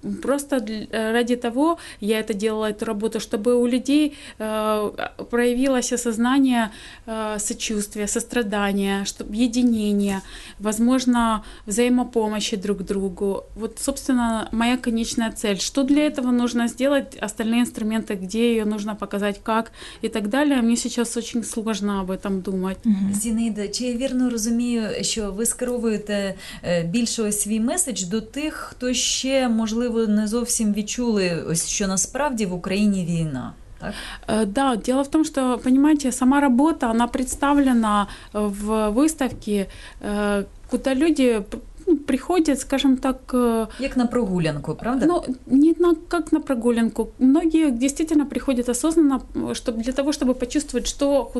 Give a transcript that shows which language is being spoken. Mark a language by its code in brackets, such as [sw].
[ru] Просто ради того я это делала, эту работу, чтобы у людей проявилось осознание сочувствия, сострадания, единения, возможно, взаимопомощи друг другу. Вот, собственно, моя конечная цель. Что для этого нужно сделать? Остальные инструменты, где ее нужно показать, как и так далее. Мне сейчас очень сложно об этом думать. [uk] Зінида, чи я вірно розумію, що ви скеровуєте більше ось свій меседж до тих, хто ще, можливо, не зовсім відчули, ось що насправді в Україні війна? Так? [ru] Да, дело в том, что, понимаете, сама работа, она представлена в выставке, куда люди приходят, скажем так... Как на прогулянку, правда? Ну, не на, как на прогулянку. Многие действительно приходят осознанно, чтобы, для того, чтобы почувствовать, что...